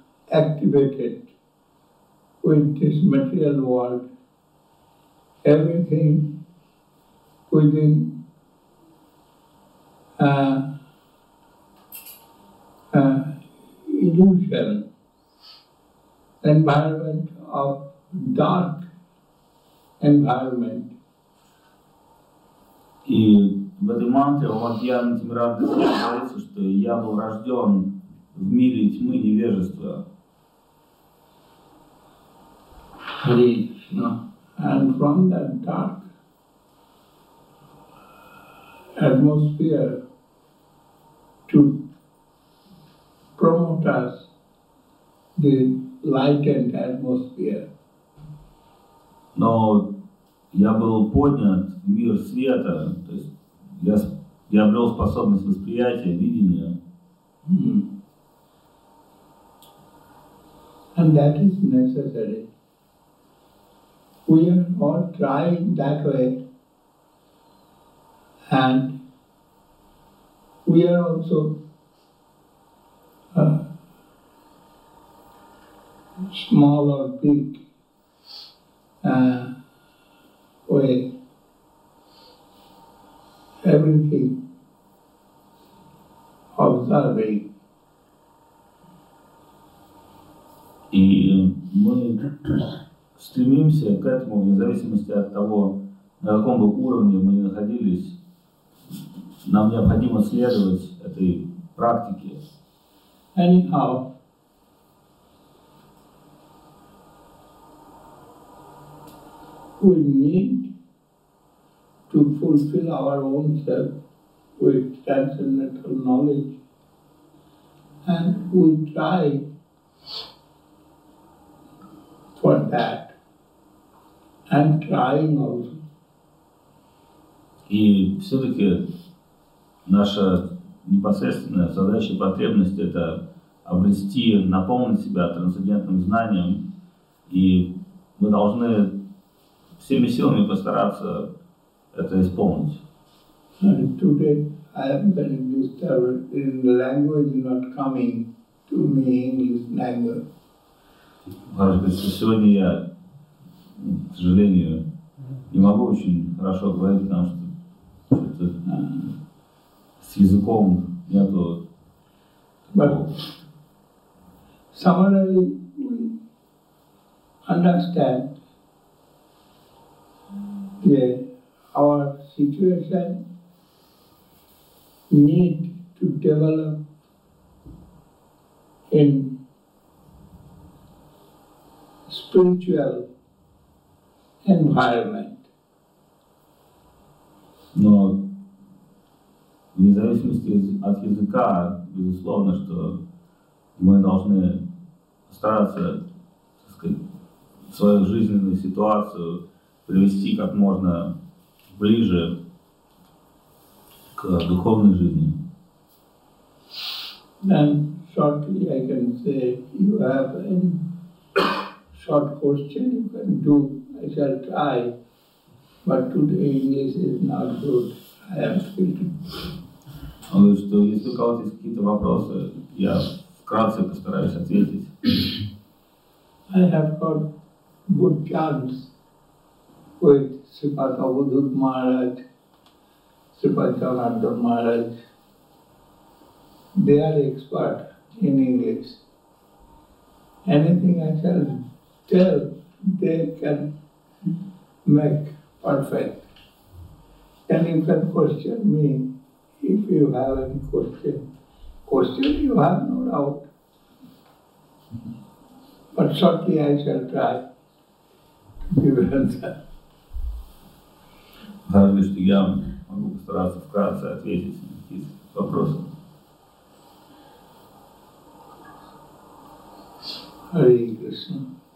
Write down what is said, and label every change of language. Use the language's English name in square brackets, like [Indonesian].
[English] activated with this material world, everything within illusion, environment of dark environment. [Russian] И в этой мантре о Матьяне Тимиранде говорится, что я был рожден в мире тьмы невежества. [English] And from that dark atmosphere to promote us the lightened atmosphere. [Russian] Но я был поднят в мир света, то есть Я обрел способность восприятия, видения. [English] And that is necessary. We are all trying that way. And we are also small or big way. Everything observing. [Russian] И мы стремимся к этому, вне зависимости от того, на каком бы уровне мы находились, нам необходимо следовать этой практике. [English] Anyhow, we need to fulfill our own self with transcendental knowledge, and we try for that, and trying also. [Russian] И все-таки наша непосредственная задача, потребность – это обрести, наполнить себя трансцендентным знанием, и мы должны всеми силами постараться это исполнить. [English] And today I am very disturbed in the language not coming to me, English language. [Russian] Сегодня я, к сожалению, не могу очень хорошо говорить, потому что с языком нету. [English] But summarily we understand that our situation need to develop in spiritual environment. [Russian] Но вне зависимости от языка, безусловно, что мы должны стараться, так сказать, свою жизненную ситуацию привести как можно ближе к духовной жизни. [English] Then shortly I can say you have any short question you can do, I shall try, but today English is not good, I am speaking. [Russian] Он говорит, что если у кого-то есть какие-то вопросы, я вкратце постараюсь ответить. [English] I have got good chance with Sripad Avadhut Maharaj, Sripad Janardhan Maharaj. They are expert in English. Anything I shall tell, they can make perfect. And you can question me if you have any question. Question you have, no doubt. But shortly I shall try to give an answer. [Russian] Разве что я могу постараться вкратце ответить на какие-то вопросы. [Sanskrit] Hare Krishna.